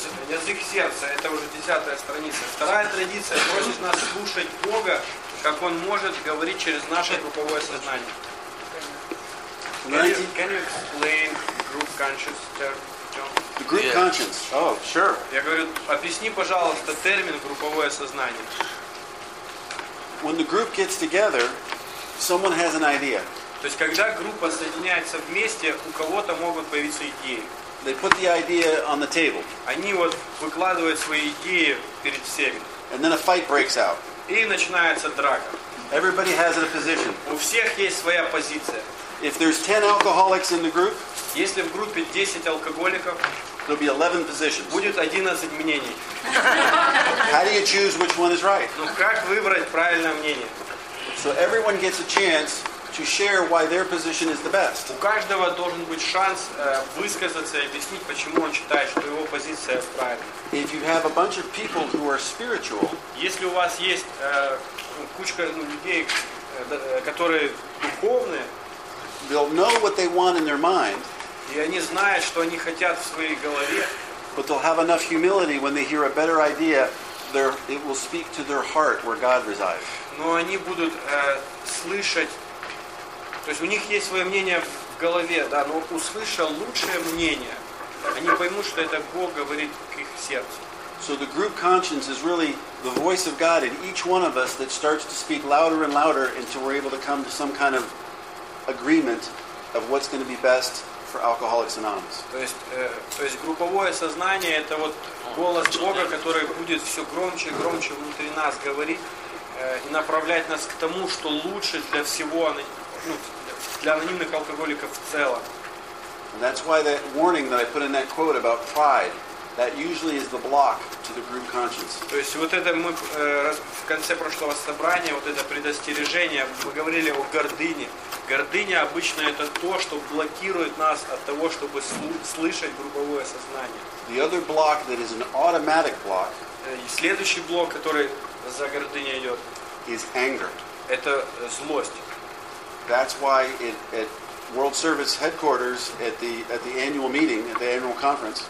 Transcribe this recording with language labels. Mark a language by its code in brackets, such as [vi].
[ru] Язык сердца, это уже 10-я страница. Вторая традиция просит нас слушать Бога, как Он может говорить через наше групповое сознание. [en] Can you explain group conscience term? The group conscience. Oh, sure. [ru] Я говорю, объясни, пожалуйста, термин групповое сознание. [en] When the group gets together, someone has an idea. [ru] То есть когда группа соединяется вместе, у кого-то могут появиться идеи. [en] They put the idea on the table. [ru] Они вот выкладывают свои идеи перед всеми. [en] And then a fight breaks out. [ru] И начинается драка. [en] Everybody has a position. [ru] У всех есть своя позиция. [en] If there's 10 alcoholics in the group, [ru] если в группе 10 алкоголиков, [en] there'll be 11 positions. [ru] Будет 11 мнений. [en] How do you choose which one is right? [ru] Ну как выбрать правильное мнение? [en] So everyone gets a chance to share why their position is the best. [ru] У каждого должен быть шанс высказаться и объяснить, почему он считает, что его позиция правильная. [en] If you have a bunch of people who are spiritual, [ru] если у вас есть кучка людей, которые духовные, [en] they'll know what they want in their mind. [ru] И они знают, что они хотят в своей голове. [en] But they'll have enough humility when they hear a better idea, it will speak to their heart where God resides. [ru] Но они будут слышать, то есть у них есть свое мнение в голове, да, но услышав лучшее мнение, они поймут, что это Бог говорит к их сердцу. [en] So the group conscience is really the voice of God in each one of us that starts to speak louder and louder until we're able to come to some kind of agreement of what's going to be best for Alcoholics Anonymous. [ru] То есть групповое сознание это вот голос Бога, который будет все громче и громче внутри нас говорить и направлять нас к тому, что лучше для всего, для анонимных алкоголиков в целом. [en] And that's why that warning that I put in that quote about pride, that usually is the block to the group conscience. [ru] То есть вот это мы в конце прошлого собрания, вот это предостережение, мы говорили о гордыне. Гордыня обычно это то, что блокирует нас от того, чтобы слышать групповое сознание. [en] The other block that is an automatic block, [ru] и следующий блок, который за гордыней идет, [en] is anger. [ru] Это злость. [en] That's why at World Service headquarters at the annual meeting, at the annual conference.